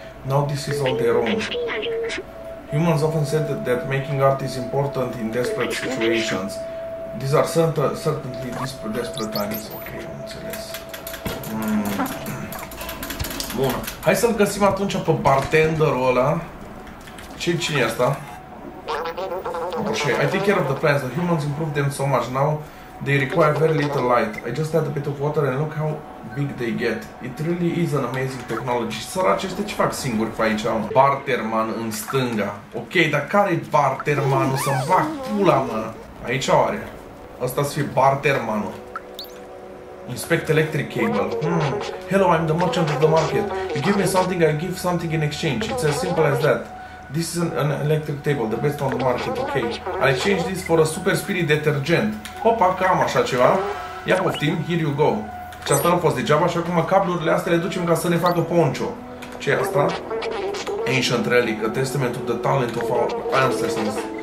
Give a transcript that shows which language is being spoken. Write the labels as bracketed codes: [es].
[en] Now this is all their own. Humans often said that making art is important in desperate situations. These are certainly desperate times. [ro] Ok, am înțeles. Bun. Hai să-l găsim atunci pe bartenderul ăla. Cine-i ăsta? [en] Okay. I take care of the plants. The humans improved them so much now. They require very little light. I just add a bit of water and look how big they get. It really is an amazing technology. [ro] Săraci, ăștia ce fac singuri pe aici, mă? Barterman în stânga. Ok, dar care-i bartermanul? Să-mi fac pula, mă. Aici oare? Ăsta să fie bartermanul. [en] Inspect electric cable. Hello, I'm the merchant of the market. You give me something, I give something in exchange. It's as simple as that. This is an electric table, the best on the market, ok. I'll change this for a super spirit detergent. [ro] Hopa, cam așa ceva. Ia poftim, [en] here you go. [ro] Și asta nu a fost degeaba și acum cablurile astea le ducem ca să ne facă poncho. Ce e asta? [en] Ancient relic, a testament of the talent of our ancestors.